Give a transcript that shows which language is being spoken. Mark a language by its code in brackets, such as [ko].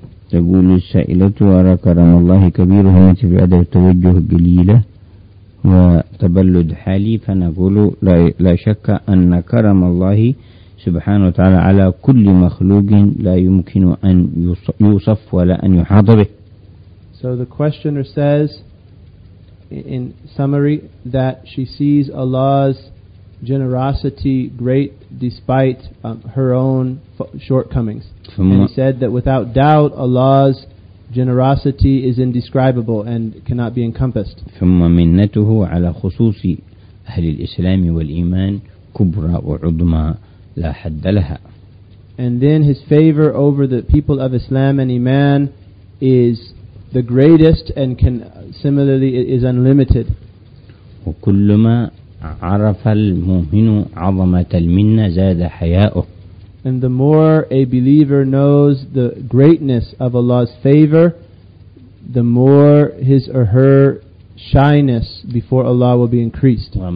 [ar] تقول السائلة أرى كرم الله كبير همت بعد التوجه قليلة وتبلد حالي فنقول لا شك أن كرم الله سبحانه وتعالى على كل مخلوق لا يمكن أن يوصف ولا أن يحاط به. [en] So the questioner says in summary that she sees Allah's generosity great despite her own shortcomings. And he said that without doubt Allah's generosity is indescribable and cannot be encompassed. [ar] ثم منته على خصوص أهل الإسلام والإيمان كبرى وعظمى لا حد لها. [en] And then his favor over the people of Islam and Iman is the greatest and can similarly is unlimited. [ar] وكلما عرف المؤمن عظمة المنة زاد حياؤه. [en] And the more a believer knows the greatness of Allah's favor, the more his or her shyness before Allah will be increased.